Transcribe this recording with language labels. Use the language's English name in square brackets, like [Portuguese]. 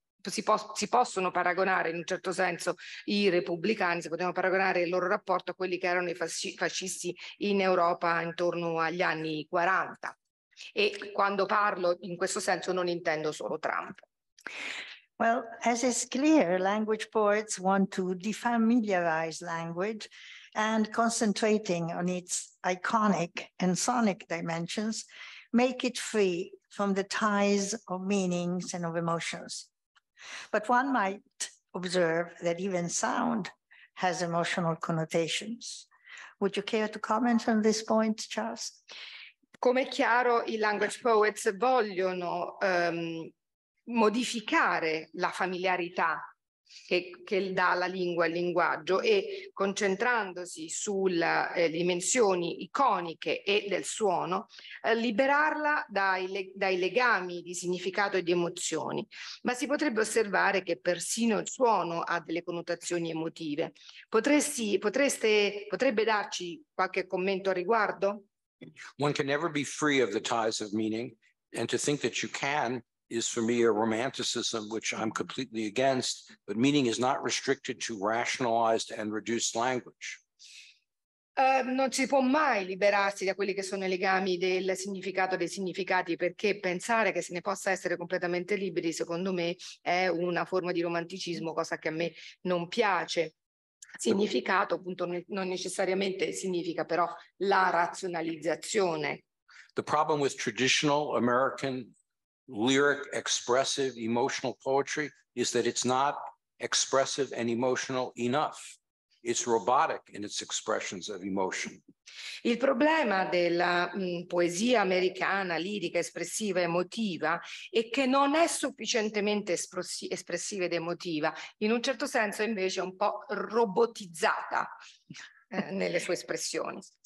[Italian] si possono paragonare in un certo senso i repubblicani, si potevano paragonare il loro rapporto a quelli che erano i fascisti in Europa intorno agli anni 40. E quando parlo in questo senso non intendo solo Trump. [English] Well, as is clear, language poets want to defamiliarize language and concentrating on its iconic and sonic dimensions, make it free from the ties of meanings and of emotions. But one might observe that even sound has emotional connotations. Would you care to comment on this point, Charles? [Italian] Come è chiaro, i language poets vogliono modificare la familiarità che dà la lingua al linguaggio e concentrandosi sulle dimensioni iconiche e del suono, liberarla dai legami di significato e di emozioni. Ma si potrebbe osservare che persino il suono ha delle connotazioni emotive. Potrebbe darci qualche commento a riguardo? [English] One can never be free of the ties of meaning, and to think that you can is for me a romanticism which I'm completely against, but meaning is not restricted to rationalized and reduced language. [Italian] Non si può mai liberarsi da quelli che sono i legami del significato dei significati, perché pensare che se ne possa essere completamente liberi, secondo me, è una forma di romanticismo, cosa che a me non piace. Significato, appunto, non necessariamente significa però la razionalizzazione. [English] The problem with traditional American lyric, expressive, emotional poetry is that it's not expressive and emotional enough. It's robotic in its expressions of emotion. [Italian] Il problema della poesia americana, lirica, espressiva, emotiva, è che non è sufficientemente espressiva ed emotiva. In un certo senso, invece, è un po' robotizzata nelle sue espressioni.